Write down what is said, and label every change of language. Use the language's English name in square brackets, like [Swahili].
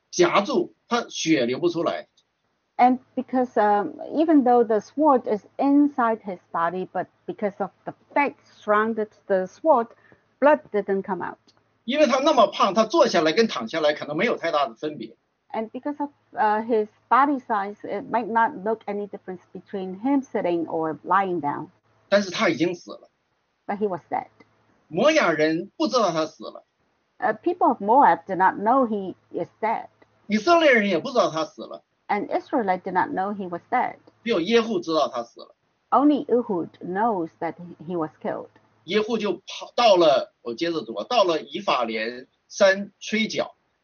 [Chinese] 你知道这个刀插进里面，虽然插到心脏里面，虽然死了，但是因为刀被他的肉夹住，他血流不出来。 [English] And because even though the sword is inside his body, but because of the fat surrounded the sword, blood didn't come out. [Chinese] 因为他那么胖，他坐下来跟躺下来可能没有太大的分别。 [English] And because of his body size, it might not look any difference between him sitting or lying down. [Chinese] 但是他已经死了。 [English] But he was dead. [Chinese] 摩亚人不知道他死了。 [English] People of Moab did not know he is dead. [Chinese] 以色列人也不知道他死了。 [English] And Israelite did not know he was dead. [Chinese] 只有耶户知道他死了。 [English] Only Ehud knows that he was killed. [Chinese] 耶户就跑到了，我接着读，到了以法莲山吹角。